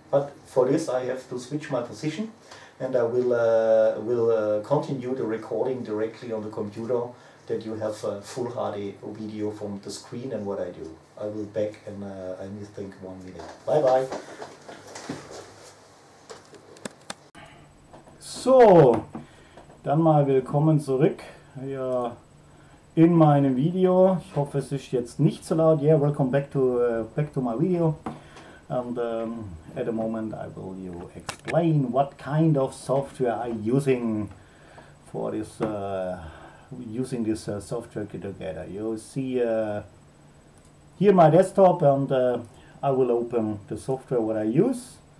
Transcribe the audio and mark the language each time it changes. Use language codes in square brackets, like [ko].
[en] But for this, I have to switch my position, and I will continue the recording directly on the computer, that you have a full HD video from the screen and what I do. I will back and I need to think 1 minute. Bye bye. [de] So, dann mal willkommen zurück hier in meinem Video. Ich hoffe, es ist jetzt nicht so laut. [en] Yeah, welcome back to my video. And at the moment I will you explain what kind of software I using for this software together. You see here my desktop, and I will open the software what I use.